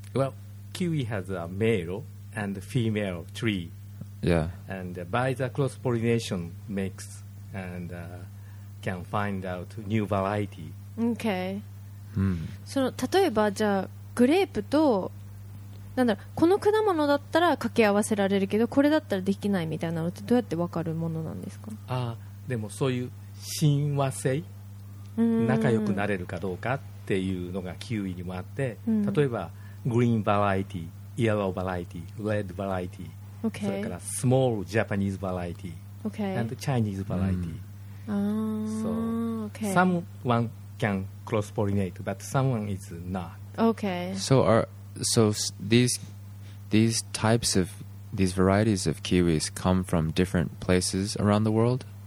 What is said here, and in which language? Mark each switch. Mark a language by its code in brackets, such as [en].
[en] Well, kiwi has a male and a female tree. Yeah. And by the cross-pollination mix and can find out new variety. Okay.、 Mm. [ja] その例えばじゃあグレープとなんだろう、この果物だったら掛け合わせられるけどこれだったらできないみたいなのってどうやって分かるものなんですか？あ、でもそういう親和性、仲良くなれるかどうかっていうのがキウイにもあって、例えばグリーンバラエティ、イエローバラエティ、レッドバラエティ、 [en] okay. [ja] それからスモールジャパニーズバラエティ、 [en] okay. [ja] and チャイニーズバラエティ、 [en] so okay. someone can cross pollinate but someone is not. Okay. So these types of these varieties of kiwis come from different places around the world.